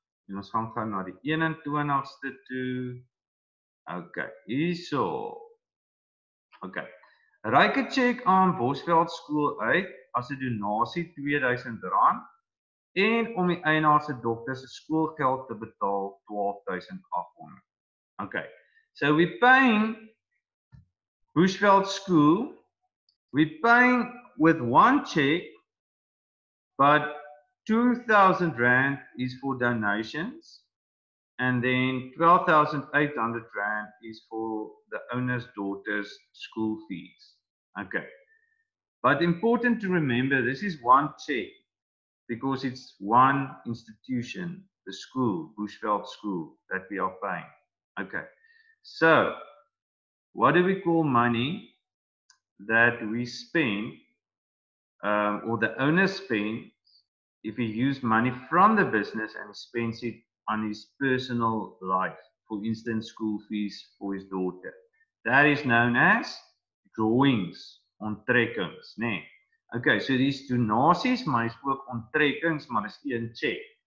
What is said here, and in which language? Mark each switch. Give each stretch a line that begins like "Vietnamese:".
Afrikaans: En ons gaan gou na die 21ste toe. OK, hierso. OK. Ryke check aan Bosveld skool uit as 'n donasie R2000 en om die eienaar se dogter se skoolgeld te betaal R12800. OK.
English: So we paying Bosveld school, we paying with one check, but R2000 is for donations. And then R12,800 is for the owner's daughter's school fees. Okay. But important to remember, this is one check because it's one institution, the school, Bushveld School, that we are paying. Okay. So, what do we call money that we spend or the owner spends if he used money from the business and spends it on his personal life, for instance, school fees for his daughter. That is known as drawings,
Afrikaans: onttrekkings, né? Nee.
English: Okay, so these
Afrikaans: donasies, maar is ook onttrekkings, maar is een check.